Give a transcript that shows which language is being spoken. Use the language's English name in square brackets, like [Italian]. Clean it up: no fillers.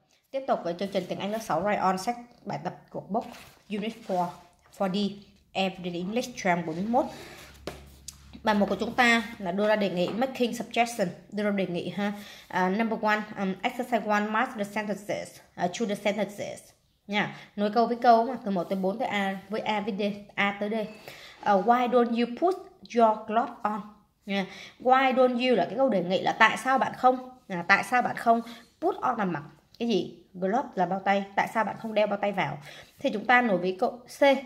[Vietnamese] Tiếp tục với chương trình tiếng Anh lớp 6 Rayon, sách bài tập của book Unit 4, 4D, Everyday English, trang 41. Bài 1 của chúng ta là đưa ra đề nghị, [English] making suggestion, [Vietnamese] đưa ra đề nghị ha. [English] Number 1, exercise 1, mark the sentences, choose the sentences. [Vietnamese] Nối câu với câu, từ 1 tới 4 tới A, với A với D, A tới D. [English] Why don't you put your gloves on? Why don't you [Vietnamese] là cái câu đề nghị là tại sao bạn không? Tại sao bạn không put on là mặc? Cái gì? Glove là bao tay. Tại sao bạn không đeo bao tay vào? Thì chúng ta nối với câu C.